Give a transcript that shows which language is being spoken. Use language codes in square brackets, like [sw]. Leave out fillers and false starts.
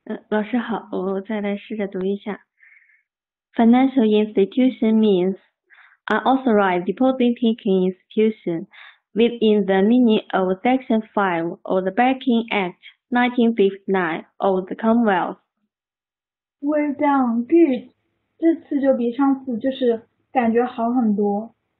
[zh] 老师好，我再来试着读一下。 [en] Financial institution means unauthorized deposit taking institution within the meaning of Section 5 of the Banking Act 1959 of the Commonwealth. Well done, good. [zh] 这次就比上次就是感觉好很多。